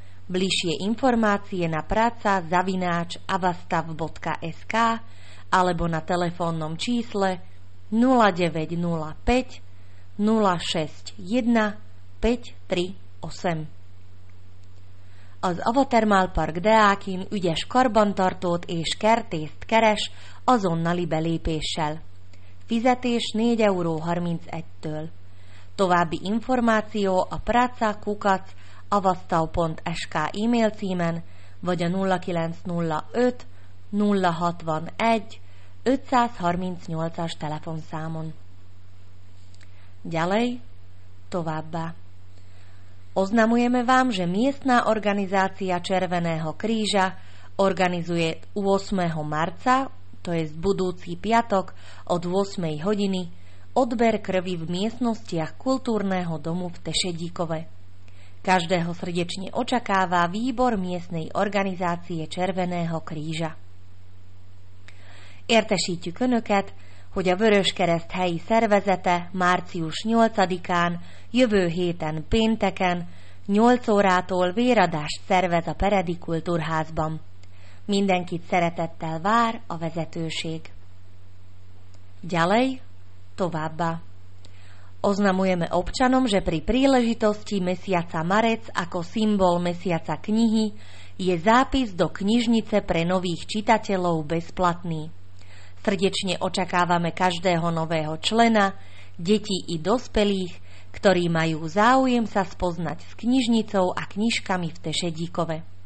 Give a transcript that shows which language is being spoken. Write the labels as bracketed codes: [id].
[sk] Bližšie informácie na praca@avastav.sk alebo na telefónnom čísle 0905 061538. [hu] Az Avatermál Park Deákin ügyes karbantartót és kertészt keres azonnali belépéssel. Fizetés 4,31 eurótól. További információ a praca@avastav.sk e-mail címen vagy a 0905 061 538-as telefonszámon. [sk] Ďalej, [hu] továbbá. [sk] Oznamujeme vám, že miestna organizácia Červeného kríža organizuje 8. marca, to je budúci piatok, od 8. hodiny odber krvi v miestnostiach kultúrneho domu v Tešedíkove. Každého srdečne očakáva výbor miestnej organizácie Červeného kríža. [hu] Értesítjük önöket, hogy a Vöröskereszt helyi szervezete március 8-án, jövő héten pénteken, 8 órától véradást szervez a Peredi Kultúrházban. Mindenkit szeretettel vár a vezetőség. [sk] Ďalej, [hu] továbbá. [sk] Oznamujeme občanom, že pri príležitosti mesiaca marec ako symbol mesiaca knihy je zápis do knižnice pre nových čitateľov bezplatný. Srdečne očakávame každého nového člena, detí i dospelých, ktorí majú záujem sa spoznať s knižnicou a knižkami v Tešedíkove.